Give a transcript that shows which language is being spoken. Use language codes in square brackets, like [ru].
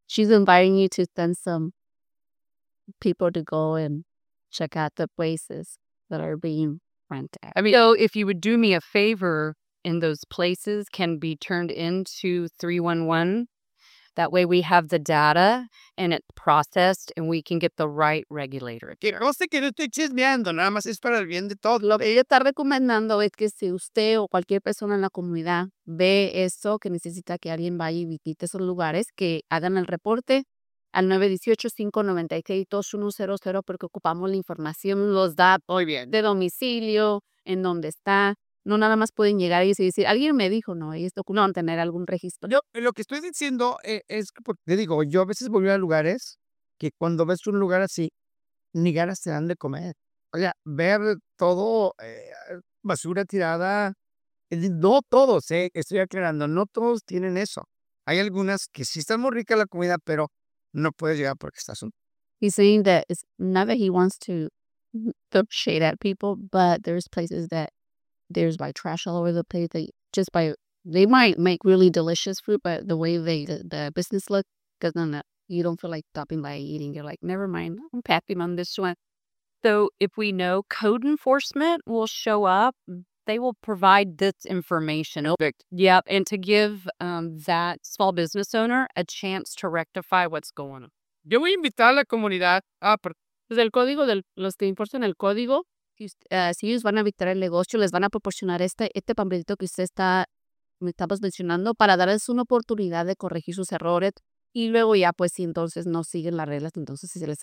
[en] She's inviting you to send some people to go and check out the places that are being rented. I mean, so if you would do me a favor in those places can be turned into 311. That way we have the data and it's processed and we can get the right regulator. [es] Que no sé que no estoy chismeando, nada más es para el bien de todos. Lo que ella está recomendando es que si usted o cualquier persona en la comunidad ve eso, que necesita que alguien vaya y visite esos lugares, que hagan el reporte al 918-596-2100 porque ocupamos la información, los datos. Muy bien. De domicilio, en dónde está. No nada más pueden llegar y decir, alguien me dijo, no, y esto no van a tener algún registro. Yo lo que estoy diciendo es, porque te digo, yo a veces voy a lugares que cuando ves un lugar así, ni ganas te dan de comer. O sea, ver todo, basura tirada, no todos, estoy aclarando, no todos tienen eso. Hay algunas que sí están muy ricas la comida, pero no puedes llegar porque estás un. [en] He's saying that it's not that he wants to throw shade at people, but there's places that there's like trash all over the place. They might make really delicious food, but the way the business look, because then you don't feel like stopping by eating. You're like, never mind, I'm packing on this one. So if we know code enforcement will show up, they will provide this information. Perfect. Yep, and to give that small business owner a chance to rectify what's going on. [es] Yo voy a invitar a la comunidad. Desde el código, los que importan el código. Si ellos van a visitar el negocio, les van a proporcionar este pamplito que usted está mencionando para darles una oportunidad de corregir sus errores y luego ya pues si entonces no siguen las reglas, entonces si se les